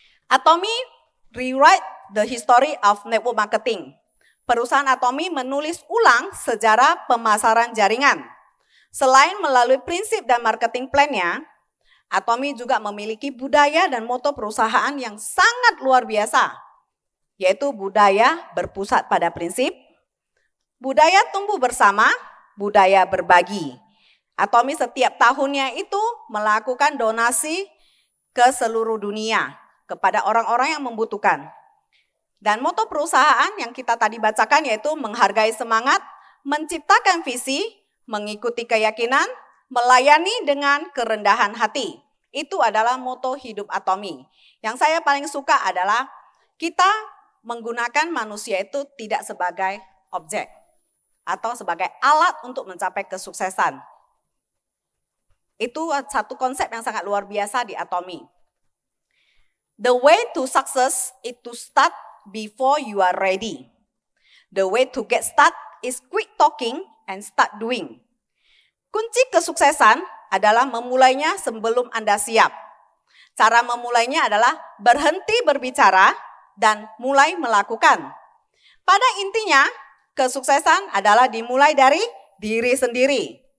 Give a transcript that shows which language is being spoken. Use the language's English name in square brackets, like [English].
[English] Atomy rewrite the history of network marketing. [Indonesian] Perusahaan Atomy menulis ulang sejarah pemasaran jaringan. Selain melalui prinsip dan marketing plan-nya, Atomy juga memiliki budaya dan moto perusahaan yang sangat luar biasa, yaitu budaya berpusat pada prinsip, budaya tumbuh bersama, budaya berbagi. Atomy setiap tahunnya itu melakukan donasi ke seluruh dunia kepada orang-orang yang membutuhkan. Dan moto perusahaan yang kita tadi bacakan yaitu menghargai semangat, menciptakan visi, mengikuti keyakinan, melayani dengan kerendahan hati. Itu adalah moto hidup Atomy. Yang saya paling suka adalah kita menggunakan manusia itu tidak sebagai objek atau sebagai alat untuk mencapai kesuksesan. Itu satu konsep yang sangat luar biasa di Atomy. [English] The way to success is to start before you are ready. The way to get start is quit talking and start doing. [Indonesian] Kunci kesuksesan adalah memulainya sebelum Anda siap. Cara memulainya adalah berhenti berbicara dan mulai melakukan. Pada intinya, kesuksesan adalah dimulai dari diri sendiri.